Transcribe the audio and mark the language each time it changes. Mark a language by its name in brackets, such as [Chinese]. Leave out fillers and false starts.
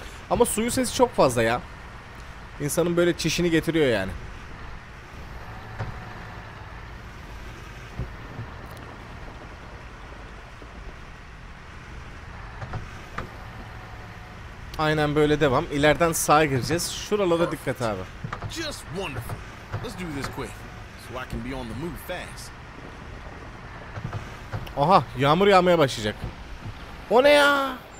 [Turkish] Ama suyun sesi çok fazla ya. İnsanın böyle çişini getiriyor yani. Aynen böyle devam. İleriden sağa gireceğiz. Şuralara dikkat abi. [English] Just wonderful. Let's do this quick so I can be on the move fast. [Turkish] Oha, yağmur yağmaya başlayacak. O ne ya?